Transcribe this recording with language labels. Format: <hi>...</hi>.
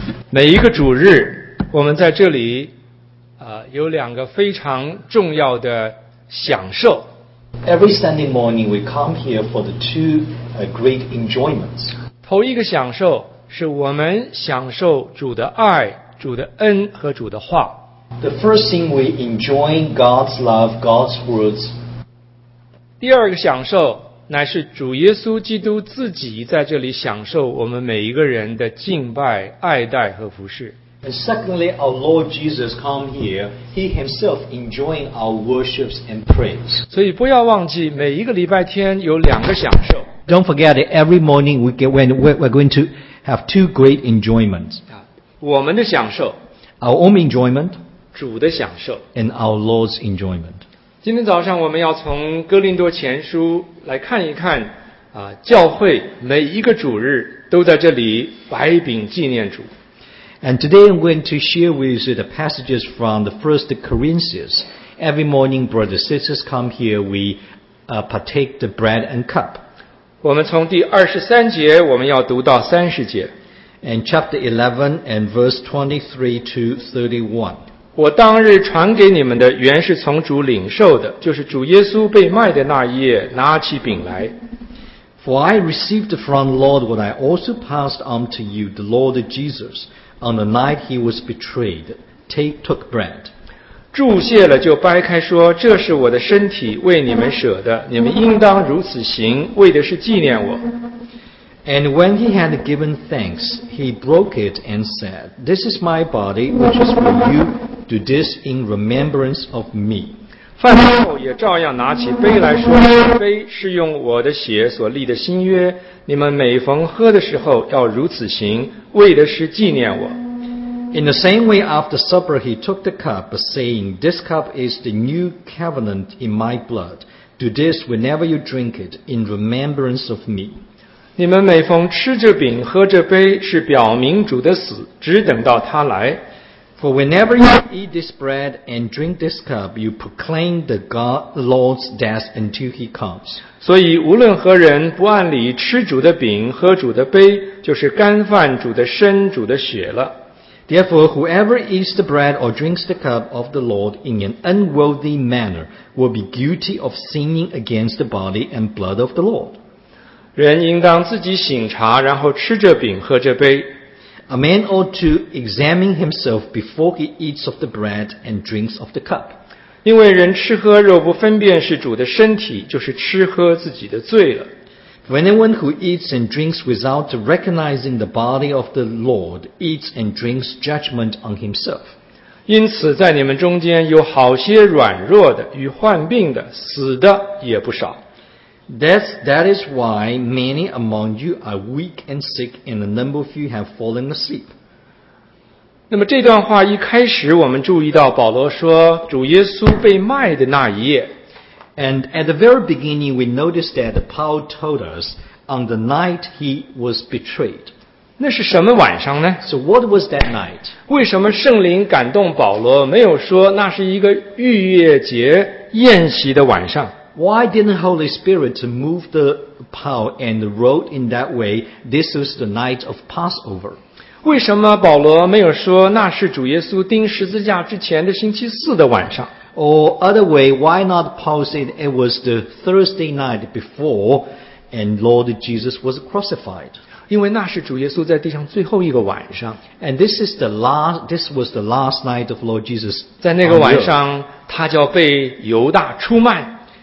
<zh>每一个主日，我们在这里，有两个非常重要的享受。</zh> <en>Every Sunday morning, we come here for the two great enjoyments.</en> <zh>头一个享受是我们享受主的爱、主的恩和主的话。</zh> <en>The first thing we enjoy God's love, God's words.</en> <zh>第二个享受乃是主耶稣基督自己在这里享受我们每一个人的敬拜、爱戴和服侍。</zh> <en>And secondly, our Lord Jesus come here, He Himself enjoying our worships and praise.</en> <zh>所以不要忘记，每一个礼拜天有两个享受。</zh> <en>Don't forget that every morning we're going to have two great enjoyments.</en> <zh>我们的享受</zh> <en>，our own enjoyment，</en> <zh>主的享受</zh> <en>，and our Lord's enjoyment。</en> <zh>今天早上我们要从哥林多前书来看一看教会每一个主日都在这里摆饼纪念主。</zh> <en>And today I'm going to share with you the passages from the First Corinthians. Every morning, brothers and sisters come here, we partake the bread and cup.</en> <zh>我们从第23节我们要读到30节。</zh> <en>And chapter 11 and verse 23 to 31.</en> <zh>我当日传给你们的原是从主领受的，就是主耶稣被卖的那一夜拿起饼来。</zh> <en>For I received from the Lord what I also passed on to you, the Lord Jesus, on the night he was betrayed, took bread.</en> <zh>祝谢了就掰开说，这是我的身体为你们舍的，你们应当如此行，为的是纪念我。</zh> <en>And when he had given thanks, he broke it and said, This is my body, which is for you, do this in remembrance of me.</en> <zh>饭后也照样拿起杯来说，这杯是用我的血所立的新约，你们每逢喝的时候要如此行，为的是纪念我。</zh> <en>In the same way, after supper, he took the cup, saying, This cup is the new covenant in my blood. Do this whenever you drink it, in remembrance of me.</en> <zh>你们每逢吃这饼喝这杯是表明主的死只等到他来。</zh> <en>For whenever you eat this bread and drink this cup, you proclaim the Lord's death until he comes.</en> <zh>所以无论何人不按理吃主的饼喝主的杯就是干犯主的身主的血了。</zh> <en>Therefore, whoever eats the bread or drinks the cup of the Lord in an unworthy manner will be guilty of sinning against the body and blood of the Lord.</en> <zh>人应当自己省察，然后吃这饼，喝这杯。</zh> <en>A man ought to examine himself before he eats of the bread and drinks of the cup.</en> <zh>因为人吃喝若不分辨是主的身体，就是吃喝自己的罪了。</zh> <en>For anyone who eats and drinks without recognizing the body of the Lord eats and drinks judgment on himself.</en> <zh>因此，在你们中间有好些软弱的、与患病的、死的也不少。</zh> <en>That is why many among you are weak and sick, and a number of you have fallen asleep.</en> <zh>那么这段话一开始，我们注意到保罗说主耶稣被卖的那一夜。</zh> <en>And at the very beginning, we noticed that Paul told us on the night he was betrayed.</en> <zh>那是什么晚上呢？</zh> <en>So what was that night?</en> <zh>为什么圣灵感动保罗没有说那是一个逾越节宴席的晚上？</zh> <en>Why didn't the Holy Spirit move the Paul and wrote in that way, this is the night of Passover?</en> <zh>为什么保罗没有说那是主耶稣钉十字架之前的星期四的晚上？</zh> <en>Or other way, why not Paul said it was the Thursday night before and Lord Jesus was crucified?</en> <zh>因为那是主耶稣在地上最后一个晚上。</zh> <en>And this was the last night of Lord Jesus.</en> <zh>在那个晚上他就要被犹大出卖。</zh>